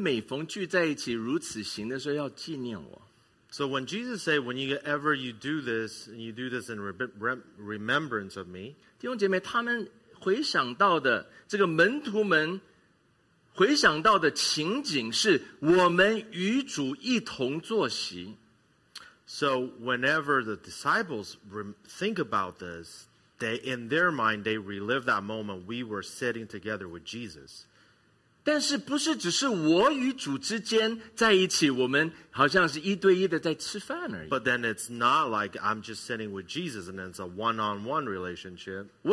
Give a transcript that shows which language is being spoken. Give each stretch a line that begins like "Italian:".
Chinese: 所以当主耶稣基督说你们每逢聚在一起如此行的时候要纪念我。
English: So when Jesus said, whenever you do this, and you do this in remembrance of me,
Chinese: 弟兄姐妹,他们回想到的,这个门徒们, 回想到的情景是我们与主一同坐席。
English: So whenever the disciples think about this, they in their mind, they relive that moment we were sitting together with Jesus.
Chinese: 但是不是只是我与主之间在一起,我们好像是一对一的在吃饭而已。
English: But then it's not like I'm just sitting with Jesus and it's a one-on-one relationship.